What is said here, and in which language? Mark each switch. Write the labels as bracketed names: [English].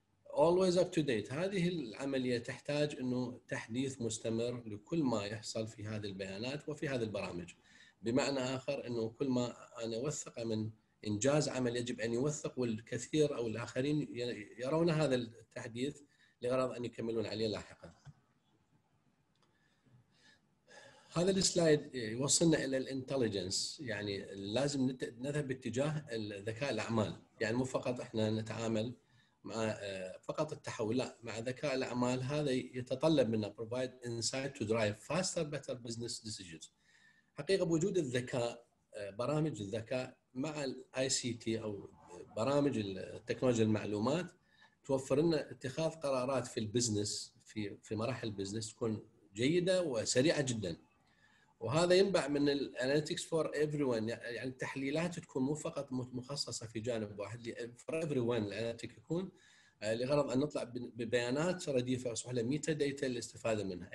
[English] always up to date, [Arabic] هذه العمليه تحتاج انه تحديث مستمر لكل ما يحصل في هذه البيانات وفي هذه البرامج، بمعنى اخر انه كل ما انا اوثق من إنجاز عمل يجب أن يوثق، والكثير أو الآخرين يرون هذا التحديث لغرض أن يكملون عليه لاحقا. هذا السلايد يوصلنا إلى الانتليجنس، يعني لازم نذهب باتجاه الذكاء الأعمال، يعني مو فقط إحنا نتعامل مع فقط التحول، لا، مع ذكاء الأعمال. هذا يتطلب منا [English] provide insight to drive faster better business decisions. [Arabic] حقيقة بوجود الذكاء، برامج الذكاء مع الاي سي تي او برامج التكنولوجيا المعلومات، توفر لنا اتخاذ قرارات في البزنس، في مراحل البزنس تكون جيده وسريعه جدا. وهذا ينبع من الاناليتكس [English] for everyone, [Arabic] يعني التحليلات تكون مو فقط مخصصه في جانب واحد، فور ايفري ون الاناليتيك يكون لغرض ان نطلع ببيانات رديفه اصبح لها ميتا داتا للاستفاده منها.